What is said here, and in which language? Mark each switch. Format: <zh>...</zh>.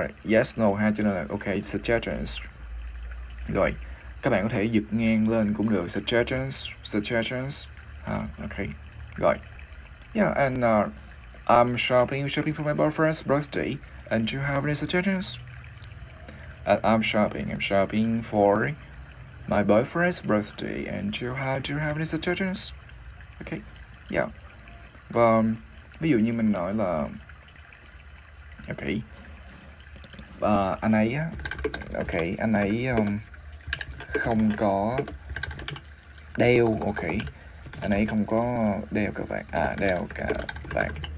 <vi>Yes, no, ha, cho nên là ok, suggestions. Rồi, các bạn có thể giật ngang lên cũng được, suggestions, ha, ok, rồi.</vi> <en>Yeah, and I'm shopping for my boyfriend's birthday, and do you have any suggestions? And I'm shopping for my boyfriend's birthday, and do you have any suggestions? Ok, yeah.</en> <vi>Và ví dụ như mình nói là, ok, anh ấy á, ok, anh ấy không có đeo, ok, anh ấy không có đeo cà vạt, đeo cà vạt</vi>